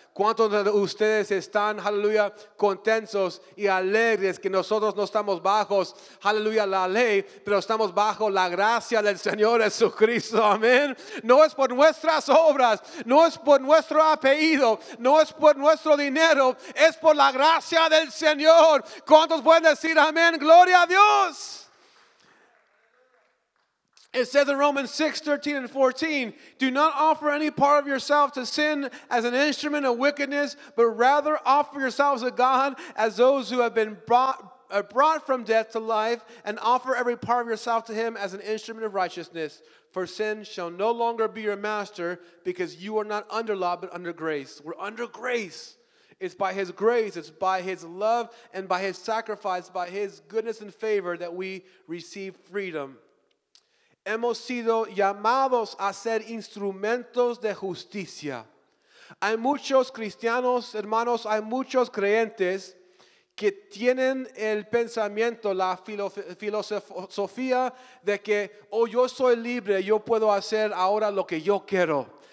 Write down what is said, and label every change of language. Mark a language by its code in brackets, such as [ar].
[es] ¿Cuántos de ustedes están, aleluya, contentos y alegres que nosotros no estamos bajos, aleluya, la ley, pero estamos bajo la gracia del Señor Jesucristo? Amén. No es por nuestras obras, no es por nuestro apellido, no es por nuestro dinero, es por la gracia del Señor. ¿Cuántos pueden decir amén? Gloria a Dios. [en] It says in Romans 6, 13 and 14, do not offer any part of yourself to sin as an instrument of wickedness, but rather offer yourselves to God as those who have been brought from death to life, and offer every part of yourself to him as an instrument of righteousness. For sin shall no longer be your master, because you are not under law, but under grace. We're under grace. It's by his grace, it's by his love, and by his sacrifice, by his goodness and favor that we receive freedom. [es] Hemos sido llamados a ser instrumentos de justicia. Hay muchos cristianos, hermanos, hay muchos creyentes que tienen el pensamiento, la filosofía de que, oh, yo soy libre, yo puedo hacer ahora lo que yo quiero.